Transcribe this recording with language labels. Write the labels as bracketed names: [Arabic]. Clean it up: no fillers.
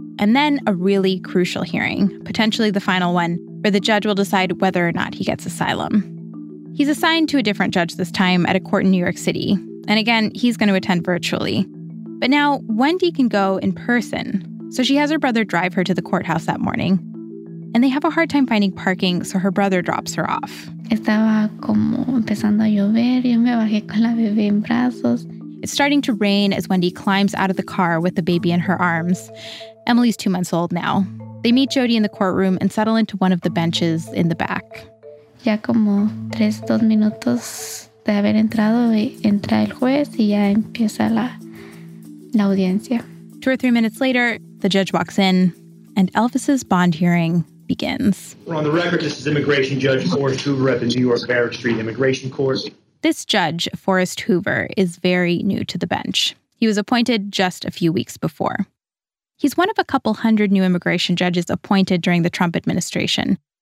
[English] And then a really crucial hearing, potentially the final one, where the judge will decide whether or not he gets asylum. He's assigned to a different judge this time at a court in New York City. And again, he's going to attend virtually. But now Wendy can go in person. So she has her brother drive her to the courthouse that morning. And they have a hard time finding parking, so her brother drops her off. [Spanish] Estaba como empezando a llover, yo me bajé con la bebé en brazos. [English] It's starting to rain as Wendy climbs out of the car with the baby in her arms. Emily's 2 months old now. They meet Jody in the courtroom and settle into one of the benches in the back. [Spanish] Ya como 3-2 minutos de haber entrado, entra el juez y ya empieza la audiencia. [English] 2 or 3 minutes later, the judge walks in and Elvis's bond hearing begins. We're on the record. This is Immigration Judge Forrest Hoover at the New York Barrack Street Immigration Court. This judge, Forrest Hoover, is very new to the bench. He was appointed just a few weeks before. He's one of a couple hundred new immigration judges appointed during the Trump administration.